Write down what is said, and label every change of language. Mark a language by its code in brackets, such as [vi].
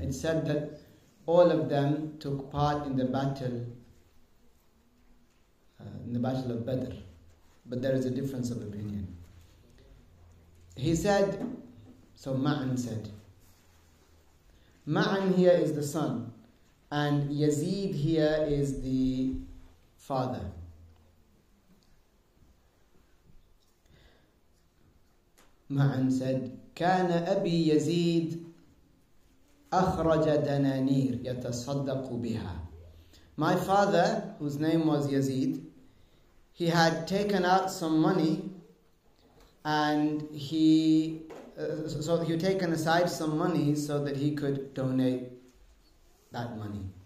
[en] It said that all of them took part in the battle of Badr, but there is a difference of opinion. He said, so Ma'an said, Ma'an here is the son, and Yazid here is the father. Ma'an said, [ar] كَانَ أَبِي يَزِيد أَخْرَجَ دَنَانِير يَتَصَدَّقُ بِهَا. [en] My father, whose name was Yazid, he had taken out some money, and he had taken aside some money so that he could donate that money.